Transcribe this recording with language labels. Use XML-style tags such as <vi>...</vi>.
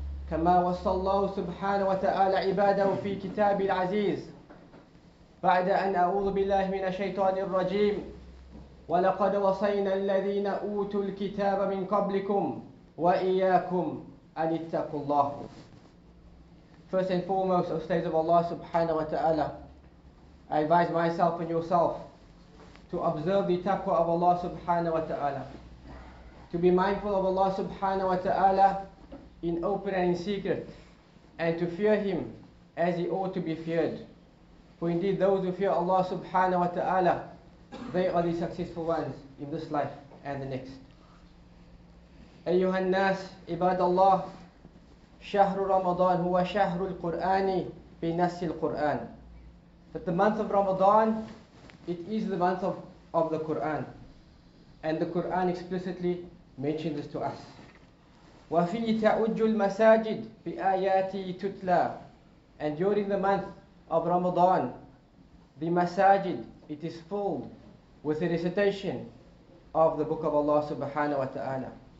<ar>كما وصى الله سبحانه وتعالى عباده في كتاب العزيز بعد أن أعوذ بالله من الشيطان الرجيم ولقد وصينا الذين أوتوا الكتاب من قبلكم وإياكم أن اتقوا الله.</ar> <en>First and foremost, O slaves of Allah subhanahu wa ta'ala, I advise myself and yourself to observe the taqwa of Allah subhanahu wa ta'ala, to be mindful of Allah subhanahu wa ta'ala in open and in secret, and to fear Him as He ought to be feared. For indeed those who fear Allah subhanahu wa ta'ala, they are the successful ones in this life and the next.</en> <ar>Ayyuhan nas, ibadallah, شهر رمضان هو شهر القرآن بنص القرآن.</ar> <en>But the month of Ramadan, it is the month of the Qur'an. And the Qur'an explicitly mentioned this to us.</en> <ar>وَفِي تَعُجُّ الْمَسَاجِدْ بِآيَاتِي تُتْلَى.</ar> <en>And during the month of Ramadan, the masajid, it is filled with the recitation of the Book of Allah subhanahu wa ta'ala.</en>